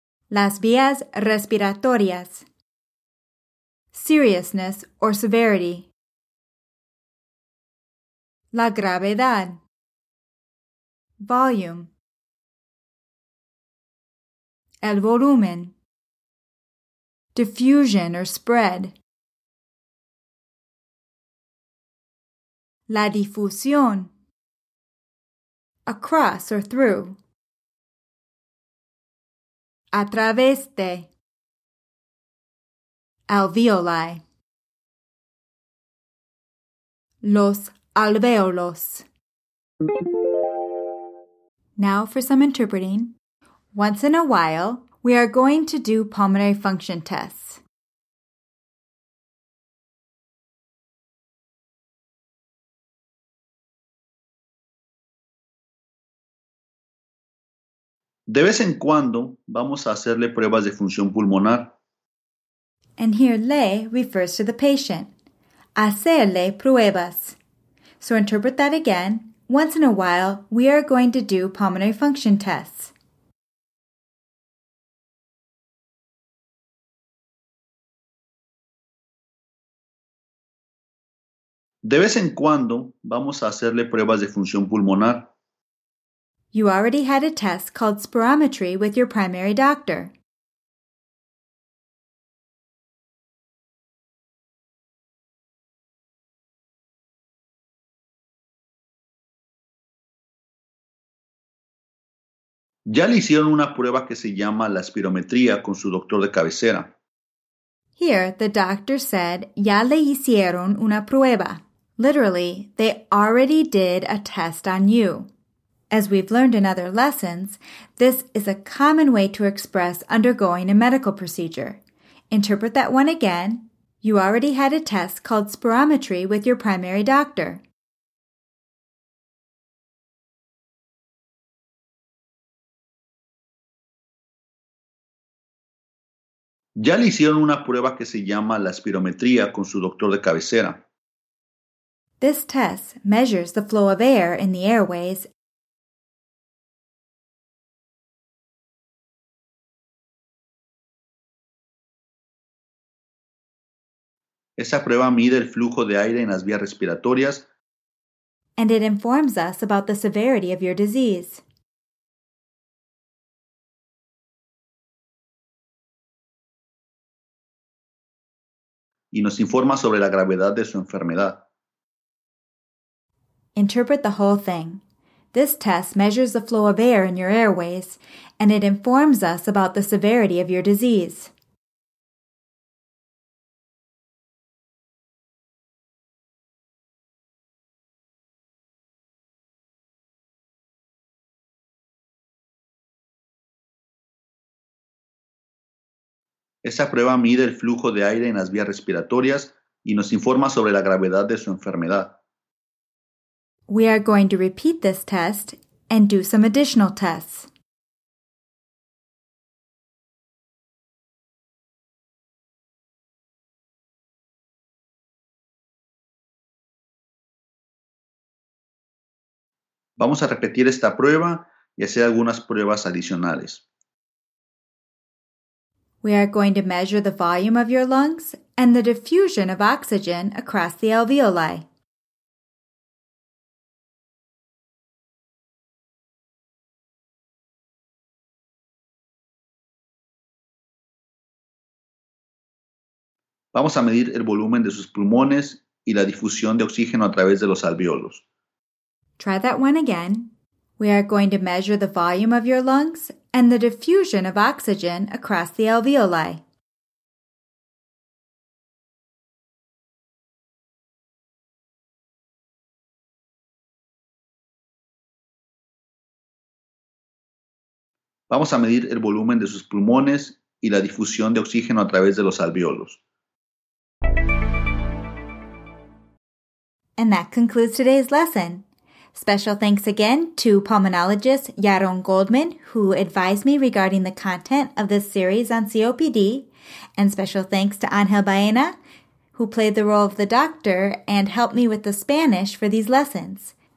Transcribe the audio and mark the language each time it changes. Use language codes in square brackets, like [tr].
[es] Las vías respiratorias. [en] Seriousness or severity. [es] La gravedad. Volume. El volumen. [en] Diffusion or spread. [es] La difusión. [en] Across or through. [es] A través de. [en] Alveoli. [es] Los alvéolos. [en] Now for some interpreting. Once in a while, we are going to do pulmonary function tests. [es] De vez en cuando, vamos a hacerle pruebas de función pulmonar. [en] And here, le refers to the patient. [es] Hacerle pruebas. [en] So interpret that again. Once in a while, we are going to do pulmonary function tests. [es] De vez en cuando, vamos a hacerle pruebas de función pulmonar. [en] You already had a test called spirometry with your primary doctor. [es] Ya le hicieron una prueba que se llama la espirometría con su doctor de cabecera. [en] Here, the doctor said, [es] ya le hicieron una prueba. [en] Literally, they already did a test on you. As we've learned in other lessons, this is a common way to express undergoing a medical procedure. Interpret that one again. You already had a test called spirometry with your primary doctor. [es] Ya le hicieron una prueba que se llama la espirometría con su doctor de cabecera. [en] This test measures the flow of air in the airways. [es] Esa prueba mide el flujo de aire en las vías respiratorias. [en] And it informs us about the severity of your disease. [es] Y nos informa sobre la gravedad de su enfermedad. [en] Interpret the whole thing. This test measures the flow of air in your airways, and it informs us about the severity of your disease. [es] Esa prueba mide el flujo de aire en las vías respiratorias y nos informa sobre la gravedad de su enfermedad. [en] We are going to repeat this test and do some additional tests. [es] Vamos a repetir esta prueba y hacer algunas pruebas adicionales. [en] We are going to measure the volume of your lungs and the diffusion of oxygen across the alveoli. [es] Vamos a medir el volumen de sus pulmones y la difusión de oxígeno a través de los alveolos. [en] Try that one again. We are going to measure the volume of your lungs and the diffusion of oxygen across the alveoli. [es] vamos a medir el volumen de sus pulmones y la difusión de oxígeno a través de los alveolos. [en] And that concludes today's lesson. Special thanks again to pulmonologist Yaron Goldman, who advised me regarding the content of this series on COPD. And special thanks to Angel Baena, who played the role of the doctor and helped me with the Spanish for these lessons.